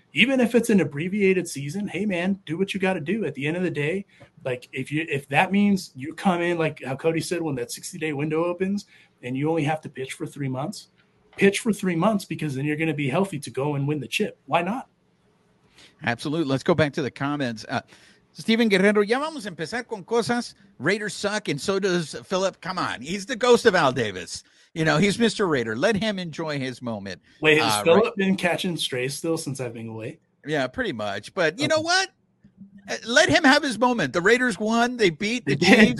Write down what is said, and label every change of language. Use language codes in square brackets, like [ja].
[en] Even if it's an abbreviated season, hey, man, do what you got to do. At the end of the day, like if that means you come in, like how Cody said, when that 60-day window opens and you only have to pitch for 3 months because then you're going to be healthy to go and win the chip. Why not? Absolutely. Let's go back to the comments. [es] Steven Guerrero, ya vamos a empezar con cosas. [en] Raiders suck, and so does Philip. Come on. He's the ghost of Al Davis. You know, he's Mr. Raider. Let him enjoy his moment. Wait, has Philip been catching strays still since I've been away? Yeah, pretty much. But you know what? Let him have his moment. The Raiders won. They beat the Chiefs.